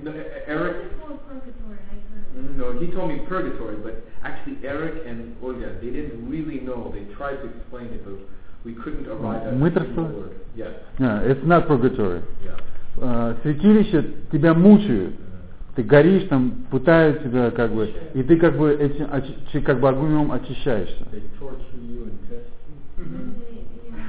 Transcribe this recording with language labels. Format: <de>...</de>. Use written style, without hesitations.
<en>No, he told me purgatory, but actually Eric and Olga, they didn't really know. They tried to explain it, but we couldn't arrive at the word. Yeah, it's not purgatory. Yeah.</en> <ru>Святилище тебя мучают. Ты горишь там, пытают тебя как бы, и ты как бы этим как бы огнем очищаешься.</ru> <en>They torture you and test you.</en>